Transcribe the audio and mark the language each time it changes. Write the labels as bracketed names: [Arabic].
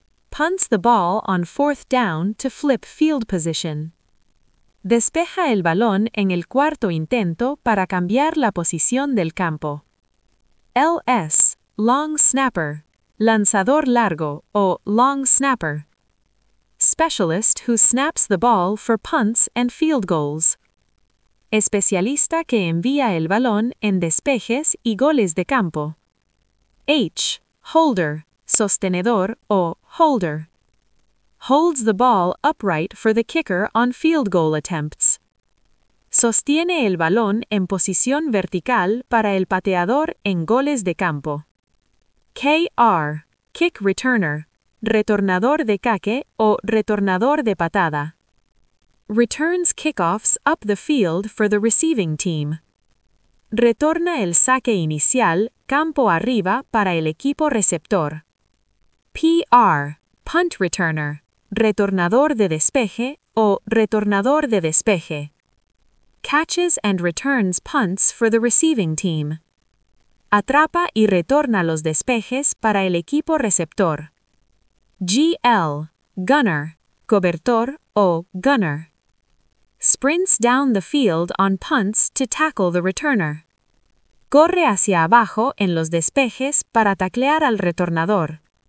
[English] Punts the ball on fourth down to flip field position. [Spanish] Despeja el balón en el cuarto intento para cambiar la posición del campo. LS, long snapper, lanzador largo, o long snapper. [English] Specialist who snaps the ball for punts and field goals. [Spanish] Especialista que envía el balón en despejes y goles de campo. H, holder, sostenedor, o holder. [English] Holds the ball upright for the kicker on field goal attempts. [Spanish] Sostiene el balón en posición vertical para el pateador en goles de campo. KR, [English] kick returner, [Spanish] retornador de caque o retornador de patada. [English] Returns kickoffs up the field for the receiving team. [Spanish] Retorna el saque inicial, campo arriba, para el equipo receptor. PR, [English] punt returner, [Spanish] retornador de despeje o retornador de despeje. [English] Catches and returns punts for the receiving team. [Spanish] Atrapa y retorna los despejes para el equipo receptor. GL, gunner, cobertor o gunner. [English] Sprints down the field on punts to tackle the returner. [Spanish] Corre hacia abajo en los despejes para taclear al retornador.